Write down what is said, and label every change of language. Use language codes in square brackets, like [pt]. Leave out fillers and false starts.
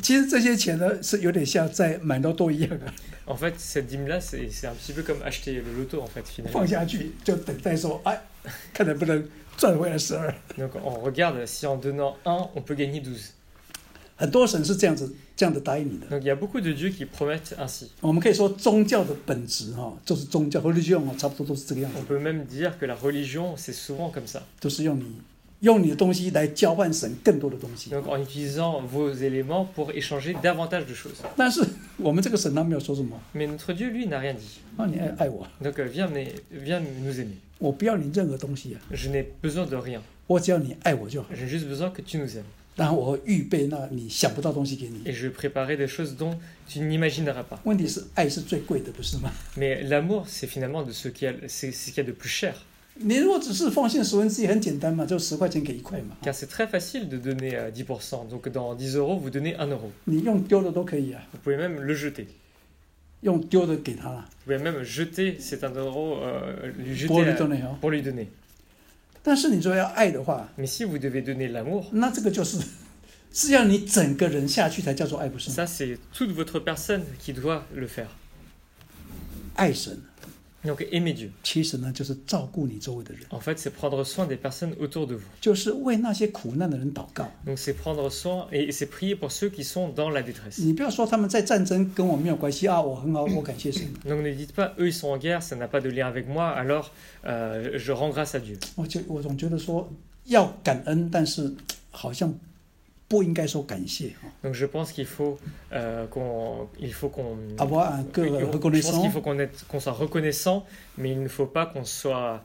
[zh] 其实这些钱呢，是有点像在买乐透一样的。 [fr] En fait, cette dîme là, c'est un petit peu comme acheter le loto, en fait, finalement. [zh] 放下去就等待说，哎，看能不能赚回来十二。 [fr] Donc on regarde si en donnant un, on peut gagner douze. [zh] 很多神是这样子这样的答应你的。 [fr] Donc, il y a beaucoup de dieux qui promettent ainsi. [zh] 我们可以说宗教的本质哈，就是宗教 religion 差不多都是这个样子。 [fr] On peut même dire que la religion c'est souvent comme ça. [zh] 就是用你的东西来交换神更多的东西。 [fr] Donc, en utilisant vos éléments pour échanger davantage de choses. [zh] 但是我们这个神他没有说什么。 [fr] Mais notre Dieu lui n'a rien dit. [zh] 啊，你爱我。 [fr] Donc viens nous aimer. [zh] 我不要你任何东西啊。 [fr] Je n'ai besoin de rien. [zh] 我只要你爱我就好。 [fr] J'ai juste besoin que tu nous aimes. [zh] 然后我预备那你想不到东西给你。 [fr] Et je préparerai des choses dont tu n'imagineras pas. [zh] 问题是爱是最贵的，不是吗 [fr] ？Mais l'amour c'est finalement de ce qui a c'est ce qui a de plus cher. [zh] 你如果只是奉献十分之一，很简单嘛，就十块钱给一块嘛。 [fr] Car c'est très facile de donner 10%, donc dans 10 euros vous donnez 1 euro. [zh] 你用丢的都可以啊。 [fr] Vous pouvez même le jeter. [zh] 用丢的给他了。 [fr] Vous pouvez même jeter cet 1 euro lui jeter pour lui donner. [zh] 但是你说要爱的话 [fr] ，Mais si vous devez donner l'amour， [zh] 那这个就是是要你整个人下去才叫做爱，不是吗 [fr] ？Ça c'est toute votre personne qui doit le faire。 [zh] 爱神 [fr] ，Donc aimer Dieu。 [zh] 其实呢，就是照顾你周围的人。 [fr] En fait, c'est prendre soin des personnes autour de vous。 [zh] 就是为那些苦难的人祷告。 [fr] Donc c'est prendre soin et c'est prier pour ceux qui sont dans la détresse。 [zh] 你不要说他们在战争跟我没有关系啊，我很好，我感谢神。 [fr] Donc ne dites pas eux ils sont en guerre, ça n'a pas de lien avec moi, alors。 Je rends grâce à Dieu. [zh] 我总觉得说要感恩，但是好像不应该说感谢。 [fr] Donc je pense qu'il faut qu'on il faut qu'on avoir un cœur reconnaissant. Je pense qu'il faut qu'on soit reconnaissant, mais il ne faut pas qu'on soit